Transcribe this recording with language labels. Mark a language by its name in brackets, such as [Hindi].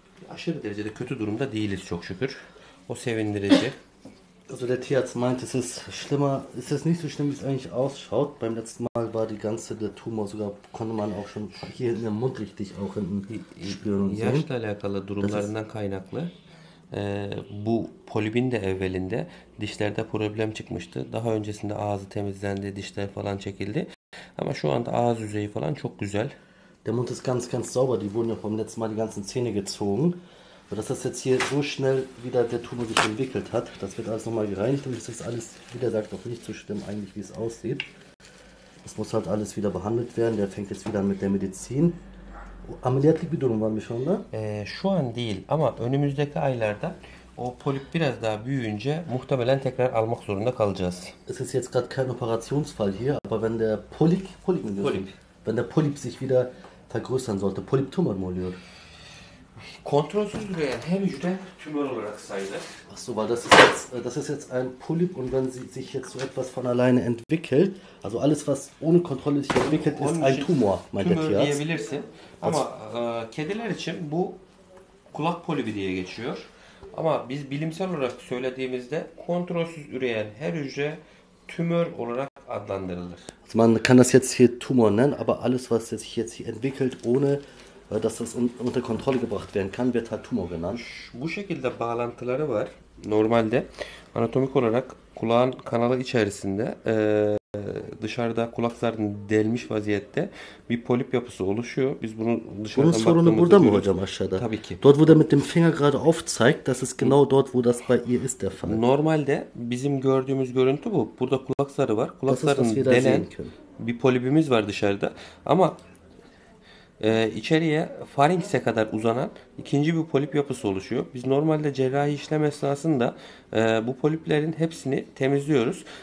[Turkish] Aşırı derecede kötü durumda değiliz çok şükür. O sevindirici. [German] Also der Tierarzt meint, es ist schlimmer, es ist nicht so schlimm, wie es eigentlich ausschaut. Beim letzten Mal war die ganze, der Tumor sogar, konnte man auch schon hier in dem Mund richtig auch hinten spüren und sehen. [Turkish] Yaşla alakalı durumlarından kaynaklı. Bu polibin de evvelinde dişlerde problem çıkmıştı. Daha öncesinde ağzı temizlendi, dişler falan çekildi. Ama şu anda ağız yüzeyi falan çok güzel. [German] Der Mund ist ganz, ganz sauber. Die wurden ja vom letzten Mal die ganzen Zähne gezogen. Dass das jetzt hier so schnell wieder der Tumor sich entwickelt hat, das wird alles nochmal gereinigt und es ist alles, wie der sagt, auch nicht so schlimm eigentlich, wie es aussieht. Es muss halt alles wieder behandelt werden, der fängt jetzt wieder an mit der Medizin. [Turkish] Ameliyatlık bir durum var mı şu anda? Şu an değil ama önümüzdeki aylarda o polip biraz daha büyüyünce muhtemelen tekrar almak zorunda kalacağız. [German] Es ist jetzt gerade kein Operationsfall hier, aber wenn der Polyp, [Turkish] Polyp mi diyorsun? [German] Polyp. Wenn der Polyp sich wieder vergrößern sollte, [Turkish] Polyptumor mu oluyor? Kontrolsüz büyüyen her hücre tümör olarak sayılır. [German] Ach so, weil das ist jetzt ein Polyp und wenn sie sich jetzt so etwas von alleine entwickelt, also alles was ohne Kontrolle sich entwickelt ist ein Tumor, meint der Tierarzt. [Turkish] Tümör diyebilirsin. Ama kediler için bu kulak polibi diye geçiyor. Ama biz bilimsel olarak söylediğimizde kontrolsüz üreyen her hücre tümör olarak adlandırılır. [German] Also man kann das jetzt hier Tumor nennen, aber alles was sich jetzt hier entwickelt ohne dass das unter Kontrolle gebracht werden kann, wird halt Tumor genannt. [Turkish] Bu şekilde bağlantıları var. Normalde anatomik olarak kulağın kanalı içerisinde dışarıda kulak zarını delmiş vaziyette bir polip yapısı oluşuyor. Biz bunu dışarıdan baktığımızda görüyoruz. Bunun sorunu burada mı hocam aşağıda? Tabii ki. [German] Dort wo der mit dem Finger gerade aufzeigt, das ist genau dort wo das bei ihr ist der Fall. [Turkish] Normalde bizim gördüğümüz görüntü bu. Burada kulak zarı var. Kulak zarını delen bir polipimiz var dışarıda. Ama içeriye farenkse kadar uzanan ikinci bir polip yapısı oluşuyor. Biz normalde cerrahi işlem esnasında bu poliplerin hepsini temizliyoruz.